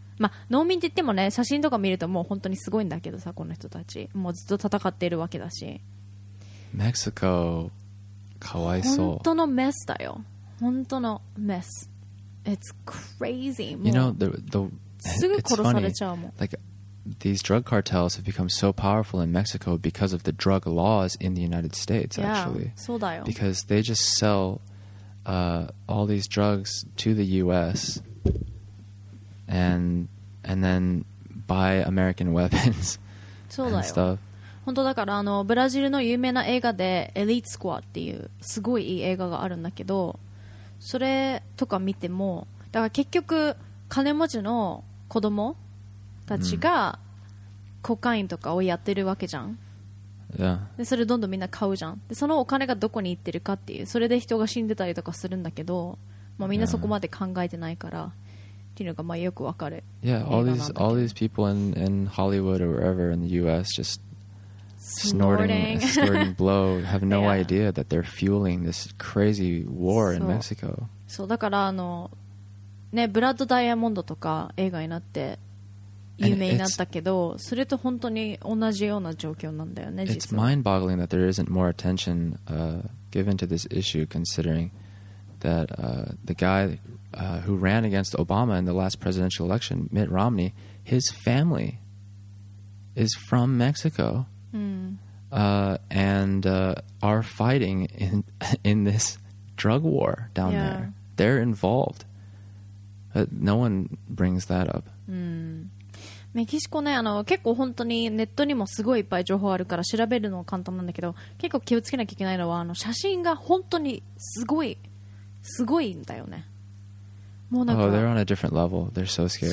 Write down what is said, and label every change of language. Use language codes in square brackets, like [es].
[ja] まあ、農民って言ってもね、写真とか見るともう本当にすごいんだけどさ、この人たちもうずっと戦っているわけだし、メキシコかわいそう、本当のメスだよ、本当のメス、 [en] It's crazy、 You know, the [ja] すぐ殺されちゃうもん。 [en] Like, these drug cartels have become so powerful in Mexico because of the drug laws in the United States, actually. [ja] Yeah, そうだよ。 [en] Because they just sell all these drugs to the U.S. And then buy American weapons and stuff. [ja] 本当だから、あのブラジルの有名な映画でエリートスコアっていうすごいいい映画があるんだけど、それとか見ても、だから結局金持ちの子供たちがコカインとかをやってるわけじゃん。 [en] Yeah. [ja] でそれどんどんみんな買うじゃん。でそのお金がどこに行ってるかっていう、それで人が死んでたりとかするんだけど、まあみんなそこまで考えてないから。 [en] Yeah, all these people in Hollywood or wherever in the U.S. just snorting blow have no idea that they're fueling this crazy war in Mexico. [ja] そうだからあのね、ブラッドダイヤモンドとか映画になって有名になったけど、それと本当に同じような状況なんだよね。 [en] It's mind-boggling that there isn't more attention given to this issue, considering that the guy. Who ran against Obama in the last presidential election, Mitt Romney, his family is from Mexico, are fighting in this drug war down there. They're involved. But no one brings that up. [ja] メキシコね、あの結構本当にネットにもすごいいっぱい情報あるから調べるのは簡単なんだけど、結構気をつけなきゃいけないのは、あの写真が本当にすごいすごいんだよね。 [en] Oh, they're on a different level. They're so scary.